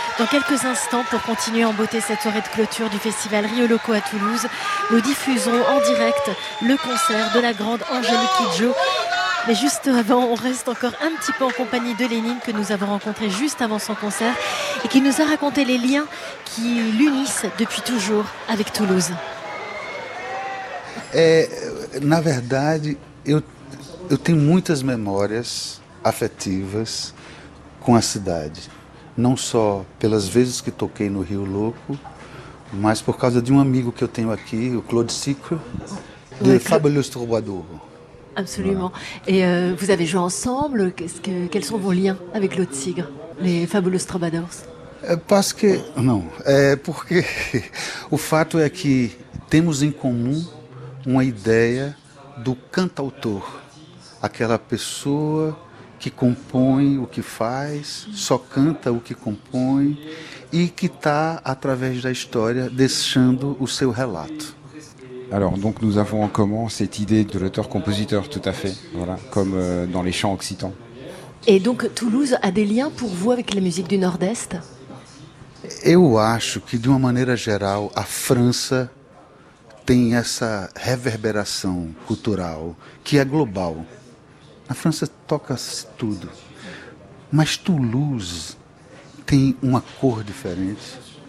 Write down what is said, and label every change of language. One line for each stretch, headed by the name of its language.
French: Dans quelques instants, pour continuer à emboter cette soirée de clôture du festival Rio Loco à Toulouse, nous diffuserons en direct le concert de la grande Angélique Kidjo. Mais juste avant, on reste encore un petit peu en compagnie de Lénine, que nous avons rencontré juste avant son concert et qui nous a raconté les liens qui l'unissent depuis toujours avec Toulouse.
Portuguese: Na verdade, eu tenho muitas memórias afetivas com a cidade. Não só pelas vezes que toquei no Rio Louco, mas por causa de um amigo que eu tenho aqui, o Claude Sicre, de Fabuleux Troubadour.
French: Absolument. Voilà. Et vous avez joué ensemble, quels sont vos liens avec Claude Sicre, les Fabuleux Troubadours? Parce que, non,
Portuguese: porque o fato é que temos em comum uma ideia do cantautor, aquela pessoa que compõe o que faz, só canta o que compõe e que está, através da história, deixando o seu relato.
French: Alors, donc, nous avons en commun cette idée de l'auteur-compositeur, tout à fait, voilà, comme dans les chants occitans. Et donc, Toulouse a des liens pour vous avec la musique du Nord-Est?
Portuguese: Eu acho que, de uma maneira geral, a França tem essa reverberação cultural que é global. Na França toca-se tudo. Mas Toulouse tem uma cor diferente.